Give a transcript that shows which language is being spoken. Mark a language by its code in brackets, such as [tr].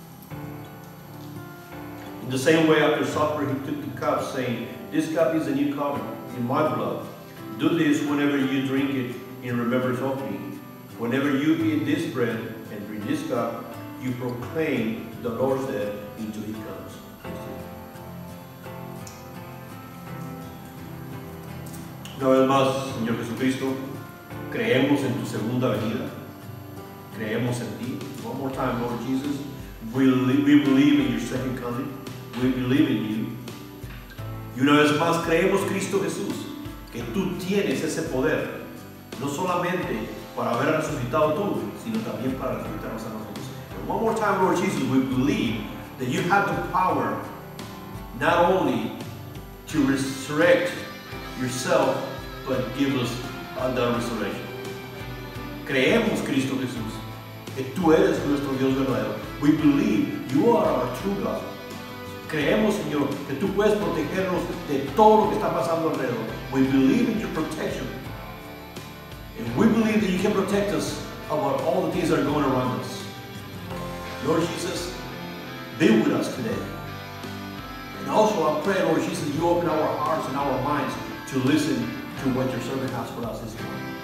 [en] In the same way, after supper, he took the cup, saying, "This cup is a new covenant in my blood. Do this whenever you drink it in remembrance of me." Whenever you eat this bread and drink this cup, you proclaim the Lord's death until he comes. [es] Una vez más, Señor Jesucristo, creemos en tu segunda venida. Creemos en ti. [en] One more time, Lord Jesus. We believe in your second coming. We believe in you. [es] Y una vez más, creemos, Cristo Jesús, que tú tienes ese poder no solamente para haber resucitado tú, sino también para resucitarnos a nosotros. [en] And one more time, Lord Jesus, we believe that you have the power not only to resurrect yourself, but give us the resurrection. [es] Creemos, Cristo Jesús, que tú eres nuestro Dios verdadero. [en] We believe you are our true God. [es] Creemos, Señor, que tú puedes protegernos de todo lo que está pasando alrededor. [en] We believe in your protection. And we believe that you can protect us about all the things that are going around us. Lord Jesus, be with us today. And also I pray, Lord Jesus, you open our hearts and our minds to listen to what your servant has for us this morning.